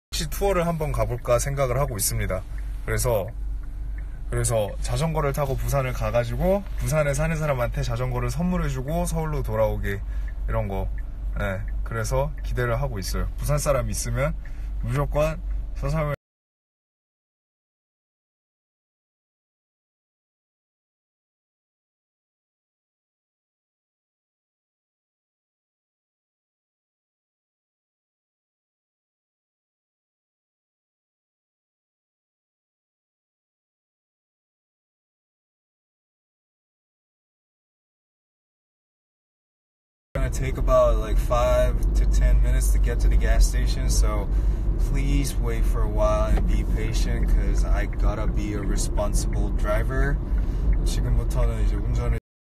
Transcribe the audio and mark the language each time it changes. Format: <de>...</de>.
<ko>투어를 한번 가볼까 생각을 하고 있습니다. 그래서 자전거를 타고 부산을 가가지고 부산에 사는 사람한테 자전거를 선물해주고 서울로 돌아오기 이런 거 예, 네, 그래서 기대를 하고 있어요. 부산 사람 있으면 무조건 서사무엘</ko> <en>take about like 5 to 10 minutes to get to the gas station, so please wait for a while and be patient because I gotta be a responsible driver.</en> <ko>지금부터는 이제 운전을</ko>